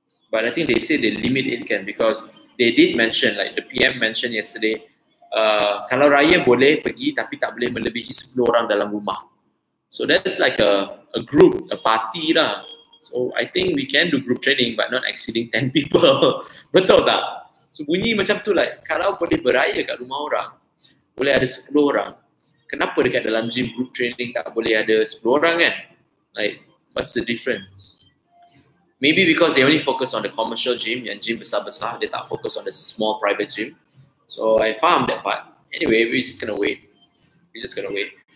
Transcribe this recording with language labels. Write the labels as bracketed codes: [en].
[en] But I think they say they limit income because they did mention, like the PM mentioned yesterday, [ms] kalau raya boleh pergi tapi tak boleh melebihi 10 orang dalam rumah. [en] So that's like a group, a party lah. So I think we can do group training but not exceeding 10 people. [ms] Betul tak? So bunyi macam tu, like kalau boleh beraya kat rumah orang, boleh ada 10 orang. Kenapa dekat dalam gym group training tak boleh ada 10 orang kan? [en] Like, what's the difference? Maybe because they only focus on the commercial gym, [ms] yang gym besar-besar, [en] they tak focus on the small private gym. So I faham that part. Anyway, we're just gonna wait. We're just gonna wait.